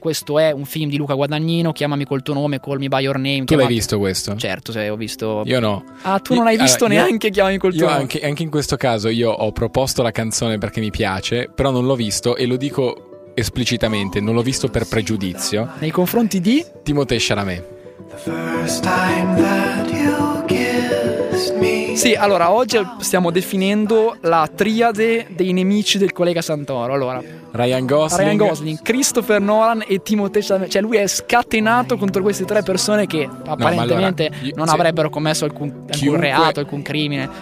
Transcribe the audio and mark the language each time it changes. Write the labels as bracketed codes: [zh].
[it] questo è un film di Luca Guadagnino, Chiamami col tuo nome, Call me by your name. Tu l'hai visto questo? Certo, se ho visto. Io no. Ah, tu non hai visto neanche Chiamami col tuo nome. Anche in questo caso io ho proposto la canzone perché mi piace, però non l'ho visto, e lo dico esplicitamente, non l'ho visto per pregiudizio nei confronti di Timothée Chalamet. [en] The first time that you kissed me. [it] Sì, allora oggi stiamo definendo la triade dei nemici del collega Santoro. Allora, Ryan Gosling, Christopher Nolan e Timothée Chalamet. Cioè, lui è scatenato contro queste tre persone che apparentemente non avrebbero commesso alcun crimine.